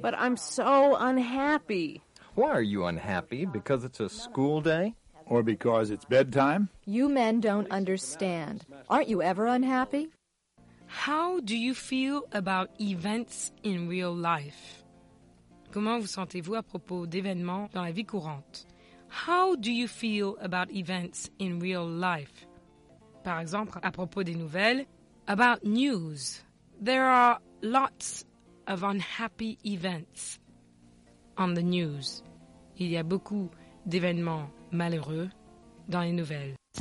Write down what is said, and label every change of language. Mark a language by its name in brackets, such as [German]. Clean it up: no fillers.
[English] But I'm so unhappy. Why are you unhappy? Because it's a school day? Or because it's bedtime? You men don't understand. Aren't you ever unhappy? How do you feel about events in real life? [French] Comment vous sentez-vous à propos d'événements dans la vie courante? [English] How do you feel about events in real life? [French] Par exemple, à propos des nouvelles, [English] about news. There are lots of unhappy events on the news. [French] Il y a beaucoup d'événements malheureux dans les nouvelles.